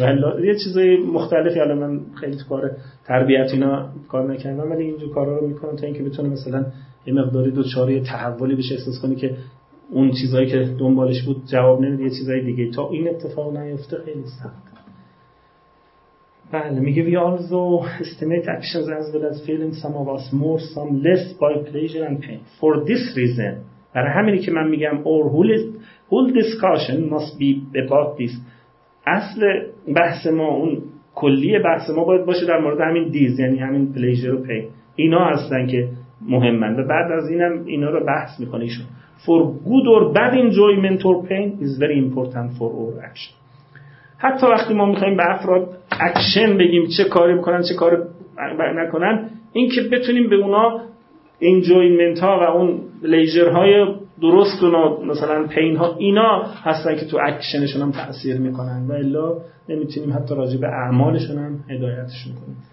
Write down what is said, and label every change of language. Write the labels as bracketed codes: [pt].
[fa] ولی یه چیزای مختلفی، حالا من خیلی تو کار تربیت اینا کار نکردم، ولی اینجور کارا رو میکنم تا اینکه بتونه مثلا یه مقداری دوچار یه تحولی بشه، احساس کنه که اون چیزایی که دنبالش بود جواب نمیده، یه چیزای دیگه. تا این اتفاق نیفته خیلی سخته. بله، میگه [en] we also estimate actions as well as feelings, some of us more some less, by pleasure and pain. For this reason, [fa] برای همینی که من میگم [en] our whole discussion must be about this. [fa] اصل بحث ما، اون کلی بحث ما باید باشه در مورد همین دیز، یعنی همین pleasure و pain. اینا هستن که مهمن و بعد از اینم اینا رو بحث میکنه ایشون. [en] For good or bad enjoyment or pain is very important for our action. [fa] حتی وقتی ما میخواییم به افراد اکشن بگیم، چه کاری میکنن چه کاری نکنن، این که بتونیم به اونا انجویمنت ها و اون لیجر های درست و مثلا پین ها، اینا هستن که تو اکشنشون هم تأثیر میکنن و الا نمیتونیم حتی راجع به اعمالشون هم هدایتشون کنیم.